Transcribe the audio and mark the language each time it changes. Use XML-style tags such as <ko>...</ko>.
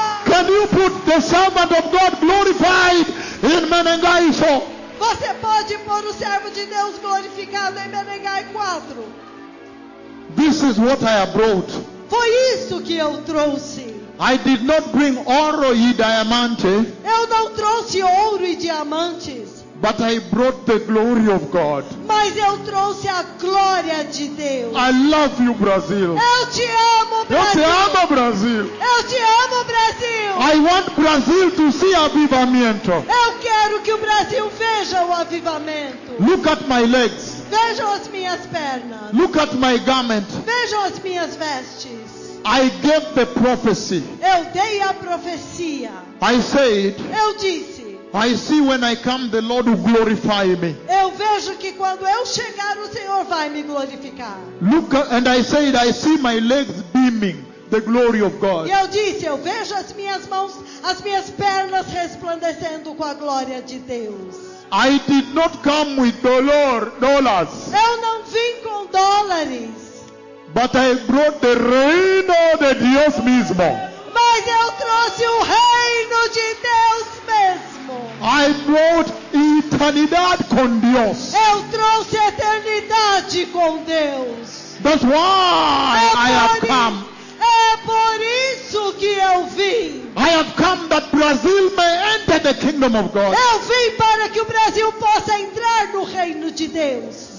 <en>Can you put the servant of God glorified in Menengai 4?</en> <pt>Você pode pôr o servo de Deus glorificado em Menengai 4?</pt> <en>This is what I have brought.</en> <pt>Foi isso que eu trouxe.</pt> <en>I did not bring</en> <pt>oro e diamante. Eu não trouxe ouro e diamantes.</pt> <en>But I brought the glory of God.</en> <pt>Mas eu trouxe a glória de Deus.</pt> <en>I love you, Brazil.</en> <pt>Eu te amo, Brasil. Eu te amo, Brasil. Eu te amo, Brasil.</pt> <en>I want Brazil to see avivamento.</en> <pt>Eu quero que o Brasil veja o avivamento.</pt> <en>Look at my legs.</en> <pt>Veja as minhas pernas.</pt> <en>Look at my garment.</en> <pt>Veja as minhas vestes.</pt> <en>I gave the prophecy.</en> <pt>Eu dei a profecia.</pt> <en>I said.</en> <pt>Eu disse.</pt> <en>I see when I come the Lord will glorify me.</en> <pt>Eu vejo que quando eu chegar o Senhor vai me glorificar.</pt> <en>Look and I said I see my legs beaming the glory of God.</en> <pt>E eu disse, eu vejo as minhas mãos, as minhas pernas resplandecendo com a glória de Deus.</pt> <en>I did not come with dollars.</en> <pt>Eu não vim com dólares.</pt> <en>But I brought the</en> <pt>reino de Deus mesmo. Mas eu trouxe o reino de Deus mesmo.</pt> <en>I brought</en> <pt>eternidade com Deus. Eu trouxe eternidade com Deus.</pt> <en>That's why I have come.</en> <pt>É por isso que eu vim.</pt> <en>I have come that Brazil may enter the kingdom of God.</en> <pt>Eu vim para que o Brasil possa entrar no reino de Deus.</pt>